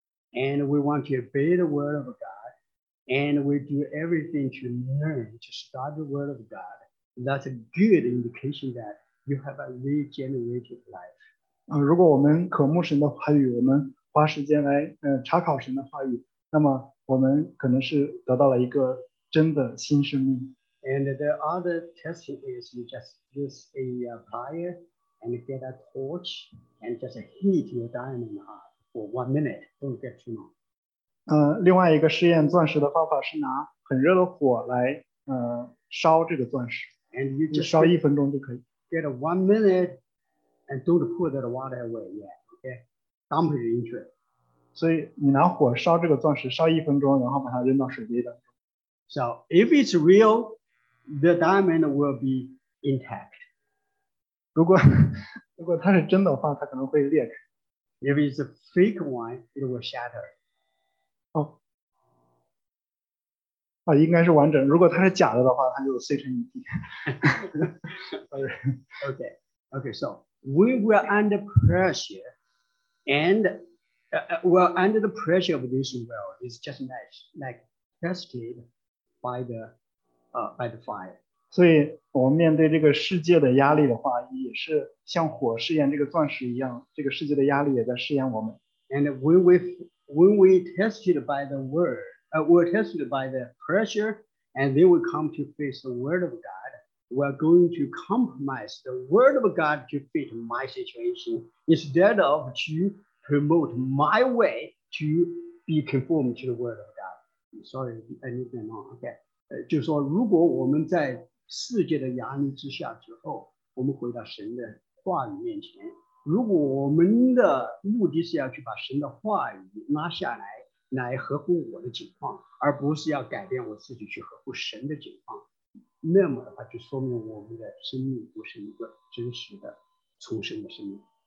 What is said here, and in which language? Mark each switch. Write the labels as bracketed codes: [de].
[en] And we want to obey the word of God, and we do everything to learn to study the word of God. That's a good indication that you have a regenerated life. [zh] 如果我们渴慕神的话语，我们花时间来查考神的话语，那么我们可能是得到了一个真的新生命。 [en] And the other testing is you just use a fire and get a torch and just heat your diamond up. One minute, don't get too long. [zh] 另外一个试验钻石的方法是拿很热的火来烧这个钻石。 [en] And you just [zh] 烧一分钟就可以。 [en] Get a 1 minute and don't put that water away yet, okay? Dump it into it. [zh] 所以你拿火烧这个钻石，烧一分钟，然后把它扔到水里的。 [en] So if it's real, the diamond will be intact. [zh] 如果它是真的话，它可能会裂开。 [en] If it's a fake one, it will shatter. [zh] 应该是完整。如果它是假的话，它就碎成一地。 [en] Okay. So we were under pressure, and under the pressure of this world is just like tested by the fire. [zh] 所以我们面对这个世界的压力的话，也是。像火试验这个钻石一样，这个世界的压力也在试验我们。 [en] And when we tested by the word, we're tested by the pressure, and then we come to face the word of God. We're going to compromise the word of God to fit my situation instead of to promote my way to be conformed to the word of God. Sorry, I need them on. [zh] Okay, 就说如果我们在世界的压力之下之后，我们回到神的。话语面前，如果我们的目的是要去把神的话语拉下来，来合乎我的情况，而不是要改变我自己去合乎神的情况，那么的话就说明我们的生命不是一个真实的重生的生命。